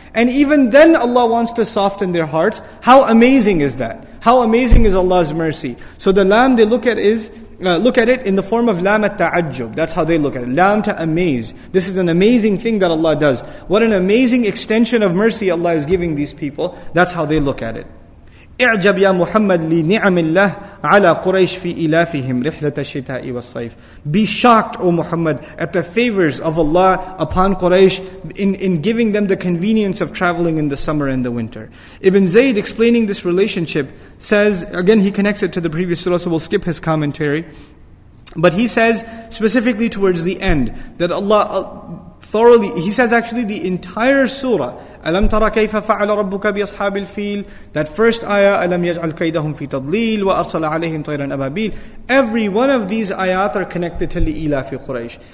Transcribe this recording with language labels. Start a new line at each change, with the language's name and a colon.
English: And even then Allah wants to soften their hearts. How amazing is that? How amazing is Allah's mercy? So the lamb they look at is, look at it in the form of lamb at ta'ajjub. That's how they look at it. Lamb to amaze. This is an amazing thing that Allah does. What an amazing extension of mercy Allah is giving these people. That's how they look at it.
Arabic: اعجب يا محمد لنعم الله على قريش في إلافهم رحلة الشتاء والصيف.
English: Be shocked, O Muhammad, at the favors of Allah upon Quraysh in giving them the convenience of traveling in the summer and the winter. Ibn Zayd, explaining this relationship, says, again, he connects it to the previous surah, so we'll skip his commentary. But he says, specifically towards the end, that Allah thoroughly, he says actually the entire surah,
Arabic: أَلَمْ تَرَ كَيْفَ فَعَلَ رَبُّكَ بِأَصْحَابِ الْفِيلِ,
English: that first ayah,
Arabic: أَلَمْ يَجْعَلْ كَيْدَهُمْ فِي تَضْلِيلِ وَأَرْسَلَ عَلَيْهِمْ طَيْرًا أَبَابِيلِ,
English: every one of these ayat are connected to
Arabic: لِإِلَافِ قُرَيْشِ.